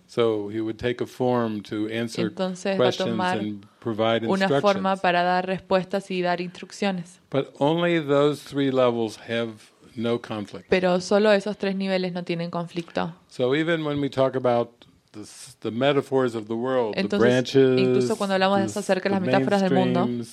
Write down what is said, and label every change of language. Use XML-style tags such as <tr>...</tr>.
<en>So he would take a form to answer</en> <es>entonces,</es> <en>questions</en> <es>va a tomar</es> <en>and provide</en> <es>una</es> <en>instructions.</en> <es>Forma para dar respuestas y dar instrucciones.</es> <en>But only those three levels have no conflict.</en> <es>Pero solo esos tres niveles no tienen conflicto.</es> <en>So even when we talk about the metaphors of the world,</en> <es>entonces,</es> <en>the branches,</en> <es>incluso cuando hablamos acerca de las metáforas del mundo,</es>